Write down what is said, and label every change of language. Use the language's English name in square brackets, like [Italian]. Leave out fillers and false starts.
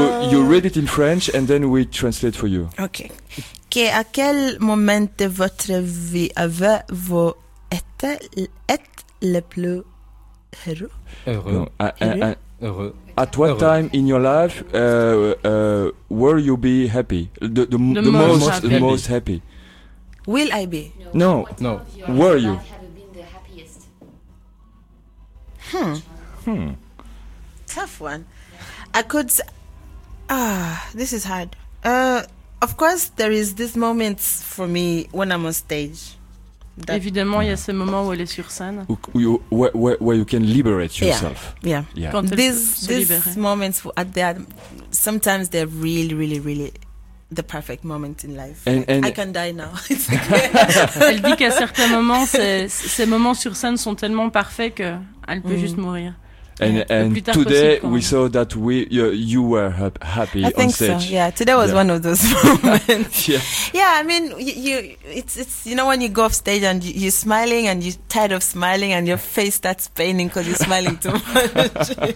[English] You read it in French and then we translate for you. Okay. [French] Que à quel moment de votre vie avez-vous été le plus heureux? Heureux. [English] At what time in your life will you be happy? The most happy. Will I be? No. Were you? Tough one. I could say, this is hard. Of course, there is this moment for me when I'm on stage. [French] Évidemment, il y a ce moment où elle est sur scène. [English] Where you can liberate yourself. Yeah. These moments, sometimes they're really, really, really the perfect moment in life. And I can die now. [French] Elle dit qu'à certains moments, ces moments sur scène sont tellement parfaits qu'elle peut juste mourir. [English] And today we saw that you were happy on stage. I think so. Yeah, today was one of those moments. Yeah, I mean, it's you know when you go off stage and you're smiling and you're tired of smiling and your face starts paining because you're smiling too much.